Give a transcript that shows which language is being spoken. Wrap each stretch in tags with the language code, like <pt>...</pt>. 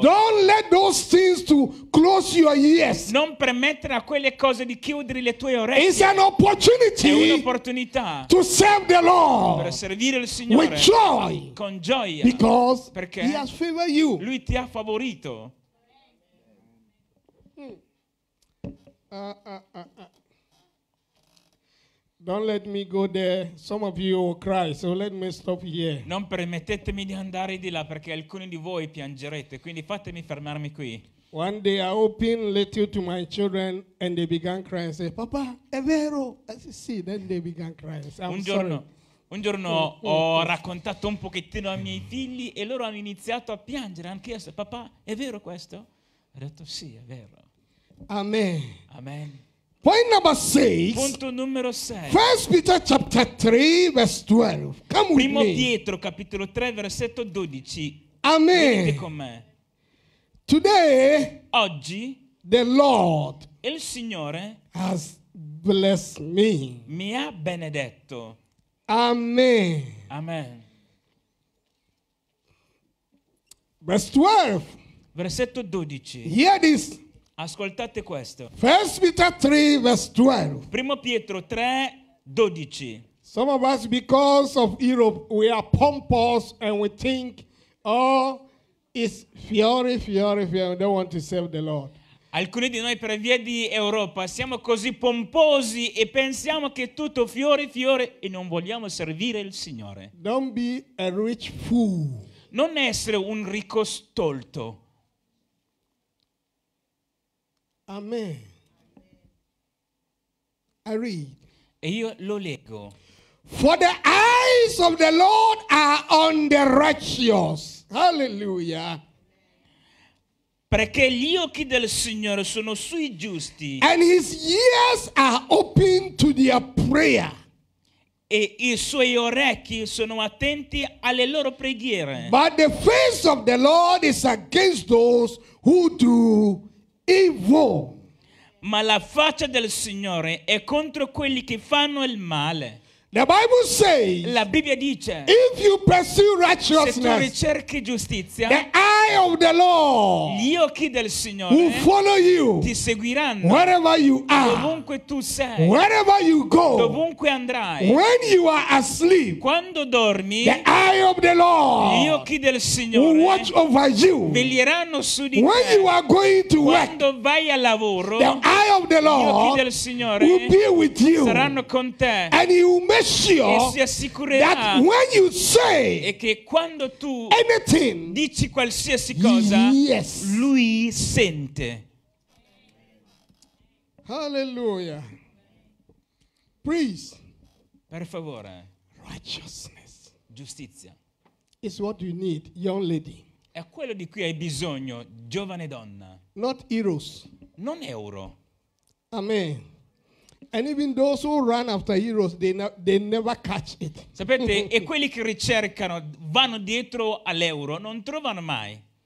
<en>Don't let those things to close your ears.</en> <it>Non permettere a quelle cose di chiudere le tue orecchie.</it> <en>It's an opportunity.</en> <it>È un'opportunità.</it> <en>To serve the Lord.</en> <it>Per servire il Signore.</it> <en>With joy.</en> <it>Con gioia.</it> <en>Because</en> <it>perché</it> <en>He has favored you.</en> <it>Lui ti ha favorito.</it> <en>Don't let me go there. Some of you will cry, so let me stop here.</en> <it>Non permettetemi di andare di là perché alcuni di voi piangerete, quindi fatemi fermarmi qui.</it> <en>One day I opened letter to my children and they began crying. Say, Papa,</en> <it>è vero? Sì, sì.</it> <en>Then they began crying. I'm sorry.</en> <it>Un giorno ho raccontato un pochettino ai miei figli e loro hanno iniziato a piangere. Hanno chiesto, papà, è vero questo? Ho detto, sì, è vero. Amen. Amen.</it> <en>Point number six.</en> <it>Punto numero 6.</it> <en>First Peter chapter 3, verse 12. Come with me.</en> <it>Primo Pietro, capitolo 3, versetto 12. Amen. Venite con me.</it> <en>Today,</en> <it>oggi,</it> <en>the Lord,</en> <it>il Signore,</it> <en>has blessed me.</en> <it>Mi ha benedetto. Amen. Amen.</it> <en>Verse 12.</en> <it>Versetto 12.</it> <en>Hear this.</en> <it>Ascoltate questo.</it> <en>First Peter 3, verse 12.</en> <it>Primo Pietro 3, 12.</it> <en>Some of us, because of Europe, we are pompous and we think, oh, it's</en> <it>fiori, fiori, fiori.</it> <en>We don't want to serve the Lord.</en> <it>Alcuni di noi, per via di Europa, siamo così pomposi e pensiamo che tutto fiori, fiori, e non vogliamo servire il Signore.</it> <en>Don't be a rich fool.</en> <it>Non essere un ricco stolto. Amen.</it> <en>I read.</en> <it>E io lo leggo.</it> <en>For the eyes of the Lord are on the righteous. Hallelujah.</en> <it>Perché gli occhi del Signore sono sui giusti.</it> <en>And his ears are open to their prayer.</en> <it>E i suoi orecchi sono attenti alle loro preghiere.</it> <en>But the face of the Lord is against those who do evil.</en> <it>Ma la faccia del Signore è contro quelli che fanno il male.</it> <en>The Bible says,</en> <it>la Bibbia dice,</it> <en>if you pursue righteousness,</en> <it>se tu ricerchi giustizia,</it> <en>the eye of the Lord,</en> <it>gli occhi del Signore,</it> <en>will follow you,</en> <it>ti seguiranno,</it> <en>wherever you are,</en> <it>dovunque tu sei,</it> <en>wherever you go,</en> <it>dovunque andrai,</it> <en>when you are asleep,</en> <it>quando dormi,</it> <en>the eye of the Lord,</en> <it>gli occhi del Signore,</it> <en>will watch over you,</en> <it>veglieranno su di te,</it> <en>when you are going to</en> <it>quando</it> <en>work,</en> <it>vai al lavoro,</it> <en>the eye of the Lord,</en> <it>gli occhi del Signore,</it> <en>will be with you,</en> <it>saranno con te,</it> <en>and you will make sure that when you say anything,</en> <it>dici qualsiasi cosa,</it> <en>yes,</en> <it>lui sente.</it> <en>Hallelujah. Please,</en> <it>per favore,</it> <en>righteousness,</en> <it>giustizia,</it> <en>is what you need, young lady.</en> <it>È quello di cui hai bisogno, giovane donna.</it> <en>Not euros.</en> <it>Non euro. Amen.</it> <en>And even those who run after heroes, they never catch it.</en> <it>Sapete, e quelli che ricercano vanno dietro all'euro, non trovano mai.</it>